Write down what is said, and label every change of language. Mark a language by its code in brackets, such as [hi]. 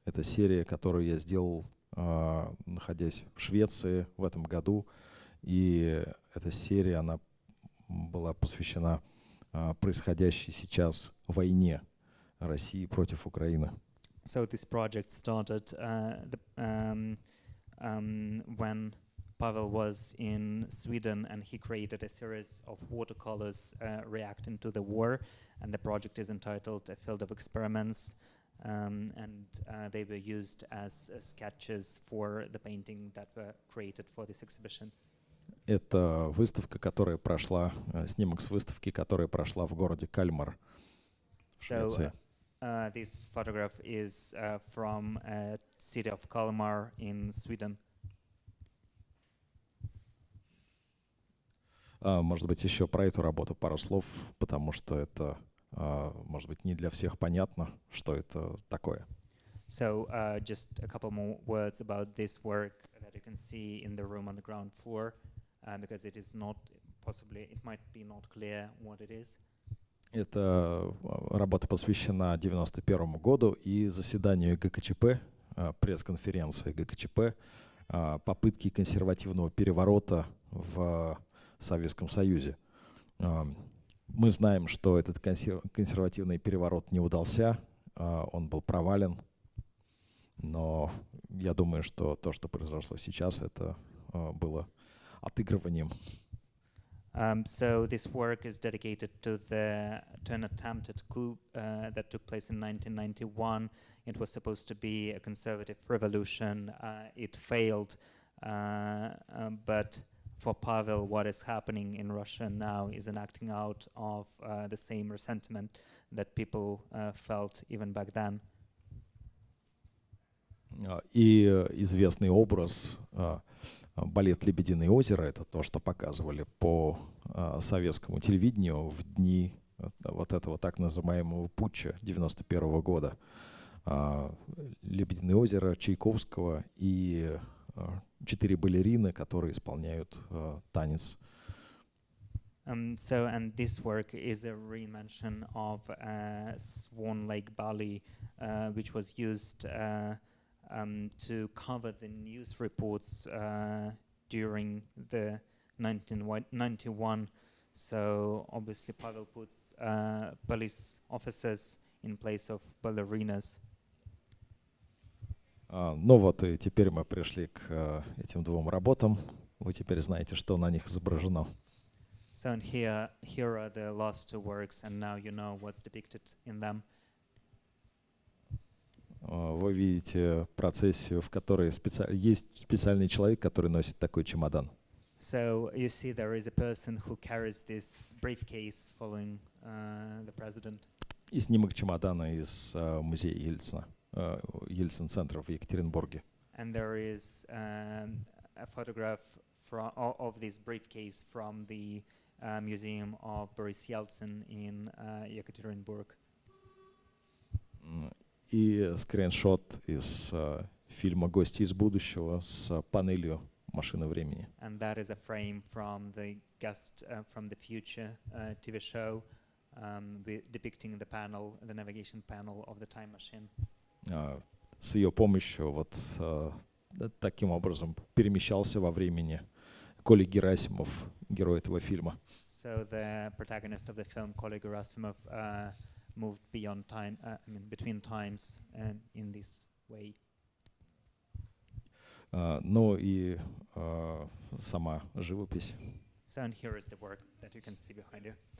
[ru] Это серия, которую я сделал, находясь в Швеции в этом году. И эта серия, она была посвящена происходящей сейчас войне России против Украины. [en] So this project started when Pavel was in Sweden, and he created a series of watercolors reacting to the war, and the project is entitled A Field of Experiments, and they were used as sketches for the painting that were created for this exhibition. [ru] Это выставка, которая прошла, снимок с выставки, которая прошла в городе Кальмар, в Швеции. [en] This photograph is from a city of Kalmar in Sweden. [ru] Может быть, еще про эту работу пару слов, потому что это, может быть, не для всех понятно, что это такое. [en] So, just a couple more words about this work that you can see in the room on the ground floor, because it is not possibly, it might be not clear what it is. [ru] Эта работа посвящена 91 году и заседанию ГКЧП, пресс-конференции ГКЧП, попытки консервативного переворота в Советском Союзе. Мы знаем, что этот консервативный переворот не удался, он был провален, но я думаю, что то, что произошло сейчас, это было отыгрыванием. [en] So this work is dedicated to the to an attempted coup that took place in 1991. It was supposed to be a conservative revolution. It failed. But for Pavel, what is happening in Russia now is an acting out of the same resentment that people felt even back then. [ru] И известный образ балет «Лебединое озеро» — это то, что показывали по советскому телевидению в дни вот этого так называемого путча 91 года. «Лебединое озеро» Чайковского и четыре балерины, которые исполняют танец. [en] So, and this work is a re-mention of Swan Lake Ballet, which was used to cover the news reports during the 1991. So obviously Pavel puts police officers in place of ballerinas. [ru] Ну вот, и теперь мы пришли к этим двум работам. Вы теперь знаете, что на них изображено. [en] So and here are the last two works, and now you know what's depicted in them. [ru] Вы видите процессию, в которой есть специальный человек, который носит такой чемодан. [en] So you see there is a person who carries this briefcase following the president. [ru] И снимок чемодана из музея Ельцина, Ельцин-центра в Екатеринбурге. [en] And there is a photograph of this briefcase from the museum of Boris Yeltsin in Екатеринбург. [ru] И скриншот из фильма «Гости из будущего» с панелью «Машины времени». [en] And that is a frame from the guest from the future TV show depicting the panel, the navigation panel of the time machine. [ru] С ее помощью вот таким образом перемещался во времени Коля Герасимов, герой этого фильма. [en] So the protagonist of the film, Коля Герасимов, moved beyond time, I mean, between times, and in this way. [ru] Ну и сама живопись. [en] So and here is the work that you can see behind you.